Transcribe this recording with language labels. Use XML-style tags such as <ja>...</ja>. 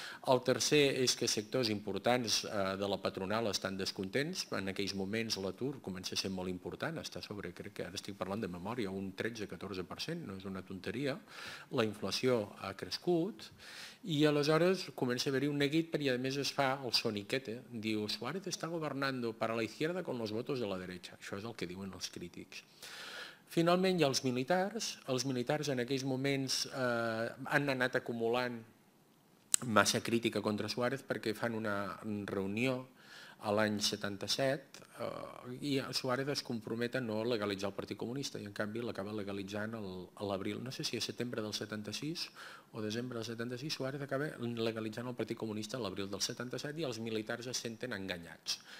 <ca>El tercer és que sectors importants de la patronal estan descontents. En aquells moments l'atur comença a ser molt important, està sobre, crec que ara estic parlant de memòria, un 13-14%, no és una tonteria. La inflació ha crescut i aleshores comença a haver-hi un neguit perquè a més es fa el soniquete.</ca> <es>Diu, Suárez está gobernando para la izquierda con los votos de la derecha.</es> <ca>Això és el que diuen els crítics. Finalment hi ha els militars en aquells moments han anat acumulant massa crítica contra Suárez perquè fan una reunió a l'any 77 i Suárez es compromet a no legalitzar el Partit Comunista i en canvi l'acaba legalitzant a l'abril, no sé si a setembre del 76 o desembre del 76, Suárez acaba legalitzant el Partit Comunista a l'abril del 77 i els militars es senten enganyats.</ca>